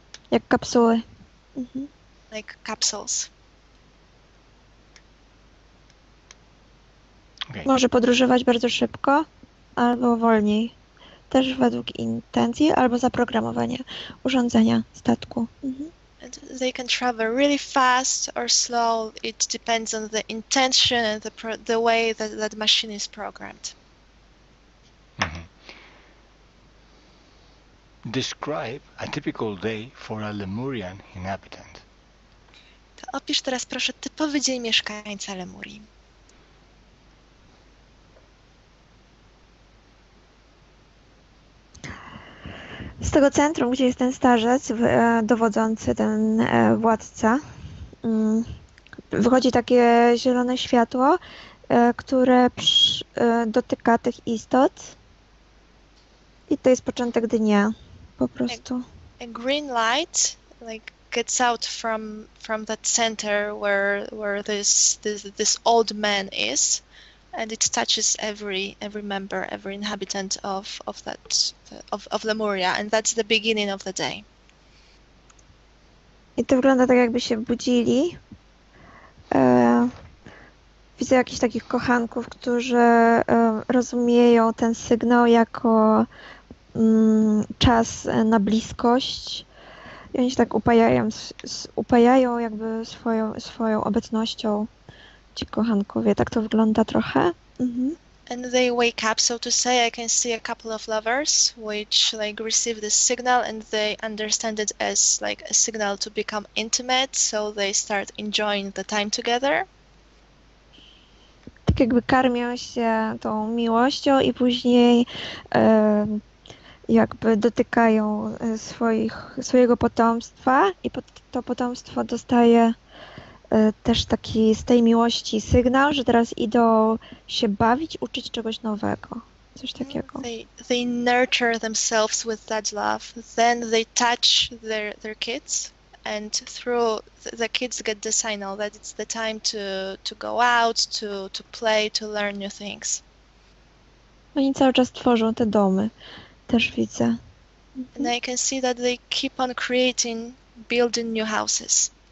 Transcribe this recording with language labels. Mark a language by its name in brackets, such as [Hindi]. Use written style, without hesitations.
[Polish] Jak kapsuły. [English] Mhm. Like capsules. Okay. [Polish] Może podróżować bardzo szybko albo wolniej. Też według intencji albo zaprogramowania urządzenia statku. Mhm. [English] And they can travel really fast or slow. It depends on the intention and the way that that machine is programmed. Mm-hmm. Describe a typical day for a Lemurian inhabitant. [Polish] To opisz teraz proszę typowy dzień mieszkańca Lemurii. Z tego centrum, gdzie jest ten starzec, dowodzący, ten władca, wychodzi takie zielone światło, które dotyka tych istot. I to jest początek dnia, po prostu. [English] A green light like gets out from that center where this old man is, and it touches every member, every inhabitant of Lemuria, and that's the beginning of the day. [Polish] I to wygląda tak, jakby się budzili. Widzę jakichś takich kochanków, którzy rozumieją ten sygnał jako czas na bliskość. I oni się tak upajają jakby swoją obecnością. Ci kochankowie, tak to wygląda trochę. Mm-hmm. [English] And they wake up, so to say. I can see a couple of lovers which like receive this signal and they understand it as like a signal to become intimate, so they start enjoying the time together. [Polish] Tak jakby karmią się tą miłością i później jakby dotykają swojego potomstwa i to potomstwo dostaje też taki z tej miłości sygnał, że teraz idą się bawić, uczyć czegoś nowego. Coś takiego. [English] They nurture themselves with that love. Then they touch their kids, and through the kids get the signal that it's the time to go out, to play, to learn new things. [Polish] Oni cały czas tworzą te domy. Też widzę. [English] And I can see that they keep on creating, building new houses.